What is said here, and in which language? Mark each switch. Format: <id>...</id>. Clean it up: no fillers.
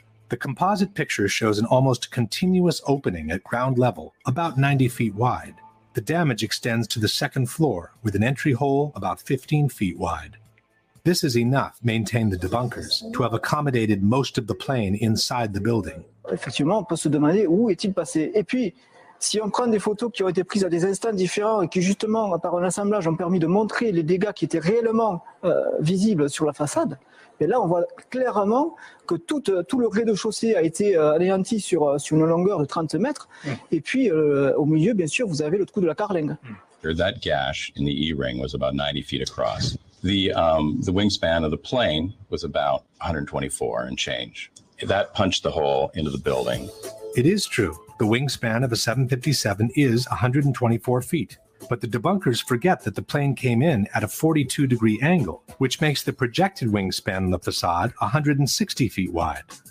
<en>The composite picture shows an almost continuous opening at ground level, about 90 feet wide. The damage extends to the second floor, with an entry hole about 15 feet wide. This is enough, maintain the debunkers, to have accommodated most of the plane inside the building.</en> <fr>Effectivement, on peut se demander où est-il passé. Et puis, si on prend des photos qui ont été prises à des instants différents et qui justement, par un assemblage, ont permis de montrer les dégâts qui étaient réellement visibles sur la façade, et là, on voit clairement que tout le rez-de-chaussée a été anéanti sur une longueur de 30 mètres. Mmh. Et puis, au milieu, bien sûr, vous avez le trou de la carlingue. Mmh.</fr> <en>That gash in the E-ring was about 90 feet across. The wingspan of the plane was about 124 and change. That punched the hole into the building. It is true. The wingspan of a 757 is 124 feet. But the debunkers forget that the plane came in at a 42-degree angle, which makes the projected wingspan on the facade 160 feet wide.</en>